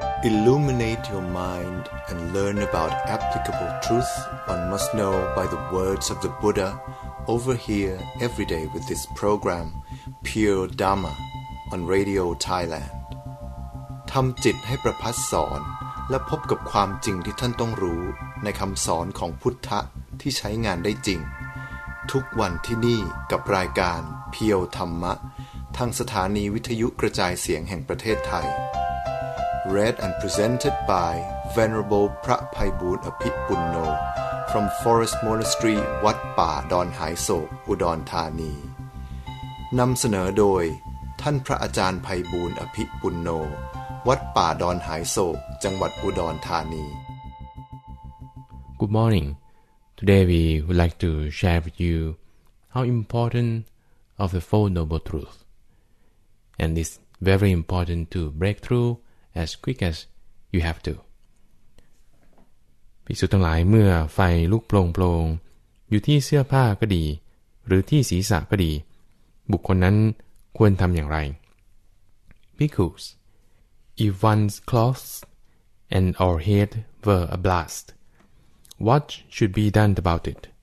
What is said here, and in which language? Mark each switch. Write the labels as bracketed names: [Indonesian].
[English] Illuminate your mind and learn about applicable truth one must know by the words of the Buddha over here every day with this program, Pure Dharma, on Radio Thailand. [Thai] ทำจิตให้ประพัสสอนและพบกับความจริงที่ท่านต้องรู้ในคำสอนของพุทธะที่ใช้งานได้จริงทุกวันที่นี่กับรายการเพียวธรรมะทางสถานีวิทยุกระจายเสียงแห่งประเทศไทย [English] Read and presented by Venerable พระไพบูลย์อภิปุณโญ from Forest Monastery วัดป่าดอนหายโศกอุดรธานี [Thai] นำเสนอโดยท่านพระอาจารย์ไพบูลย์อภิปุณโญวัดป่าดอนหายโศกจังหวัดอุดรธานี [English] Good morning. Today we would like to share with you how important of the Four Noble Truths. And it's very important to break through as quick as you have to. [Thai] ภิกษุทั้งหลายเมื่อไฟลุกโปร่งๆอยู่ที่เสื้อผ้าก็ดีหรือที่ศีรษะก็ดีบุคคลนั้นควรทำอย่างไร [English] Because if one's clothes and or head were ablast, what should be done about it?